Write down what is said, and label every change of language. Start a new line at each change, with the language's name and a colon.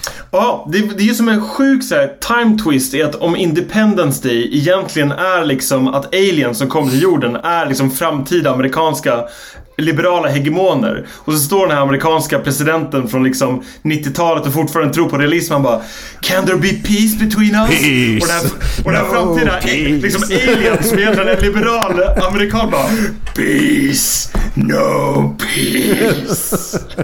Swedish: Ja, det är som en sjuk så här,
English: time twist
Swedish: i att om Independence Day egentligen är liksom att aliens som kommer till jorden är liksom framtida amerikanska liberala hegemoner. Och så står den här amerikanska presidenten från liksom 90-talet och fortfarande tror på realism. Han bara,
English: can there be peace between us? Peace.
Swedish: Och den här no, framtida liksom alien som är en liberal amerikan bara,
English: peace, no peace.